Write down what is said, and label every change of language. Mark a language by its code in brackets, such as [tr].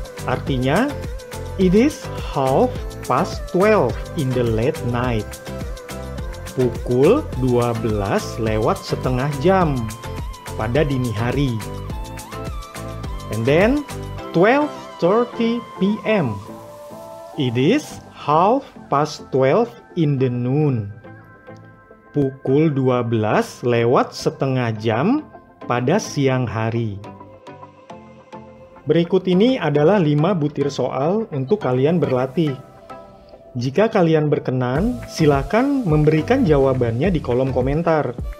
[id] Artinya, [en] it is half past 12 in the late night. [id] Pukul 12 lewat setengah jam pada dini hari. [en] And then, 12:30 p.m. It is half past 12 in the noon. [id] Pukul 12 lewat setengah jam pada siang hari. Berikut ini adalah 5 butir soal untuk kalian berlatih. Jika kalian berkenan, silakan memberikan jawabannya di kolom komentar.